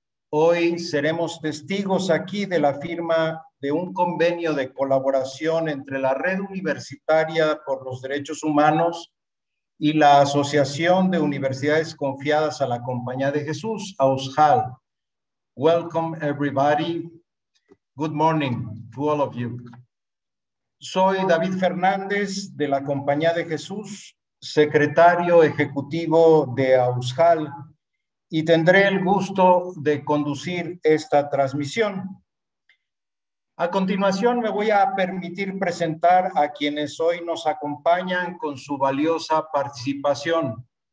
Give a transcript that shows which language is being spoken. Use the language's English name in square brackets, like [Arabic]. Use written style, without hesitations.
[Spanish] Hoy seremos testigos aquí de la firma de un convenio de colaboración entre la Red Universitaria por los Derechos Humanos y la Asociación de Universidades Confiadas a la Compañía de Jesús, Ausjal. [English] Welcome, everybody. Good morning to all of you. [Spanish] Soy David Fernández de la Compañía de Jesús, secretario ejecutivo de Ausjal, y tendré el gusto de conducir esta transmisión. A continuación, me voy a permitir presentar a quienes hoy nos acompañan con su valiosa participación.